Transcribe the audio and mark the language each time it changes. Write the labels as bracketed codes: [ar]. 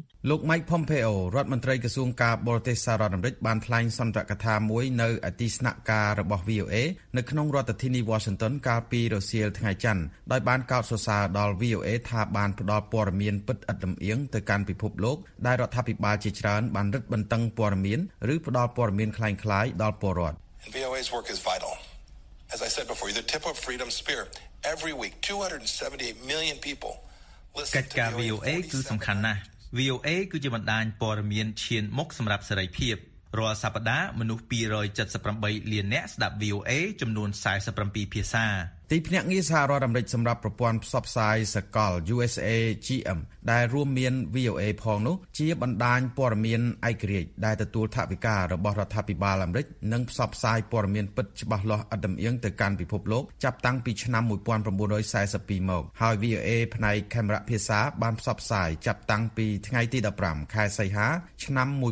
[km] លោក Mike Pompeo រដ្ឋមន្ត្រីក្រសួងការបរទេសសហរដ្ឋអាមេរិកបានថ្លែងសន្ទរកថាមួយនៅអតិស្នាក់ការរបស់ VOA នៅក្នុងរដ្ឋធានី Washington កាលពីរសៀលថ្ងៃច័ន្ទដោយបានកោតសរសើរដល់ VOA ថាបានផ្ដល់ព័ត៌មានពិតឥតលំអៀងទៅកាន់ពិភពលោកដែលរដ្ឋាភិបាលជាច្រើនបានរឹតបន្តឹងព័ត៌មានឬផ្ដល់ព័ត៌មានคล้ายคล้ายដល់ពលរដ្ឋ [en] VOA's work is vital as I said before the tip of freedom spear every week 278 million people [km] កិច្ចការ VOA គឺសំខាន់ណាស់ VOA គឺជាបណ្ដាញព័ត៌មានឈានមុខសម្រាប់សេរីភាពរាល់សប្ដាហ៍មនុស្ស278លានអ្នកស្ដាប់ VOA ចំនួន47ភាសា ទីភ្នាក់ងារសហរដ្ឋអាមេរិកសម្រាប់ប្រព័ន្ធផ្សព្វផ្សាយសកល USAGM ដែលរួមមាន VOA ផងនោះជាបណ្ដាញព័ត៌មានឯករាជ្យដែលទទួលថវិការបស់រដ្ឋាភិបាលអាមេរិកនិងផ្សព្វផ្សាយព័ត៌មានពិតច្បាស់លាស់ឥតលំអៀងទៅកាន់ពិភពលោកចាប់តាំងពីឆ្នាំ1942មកហើយ VOA ផ្នែកកាមេរ៉ាភាសាបានផ្សព្វផ្សាយចាប់តាំងពីថ្ងៃទី15ខែសីហាឆ្នាំ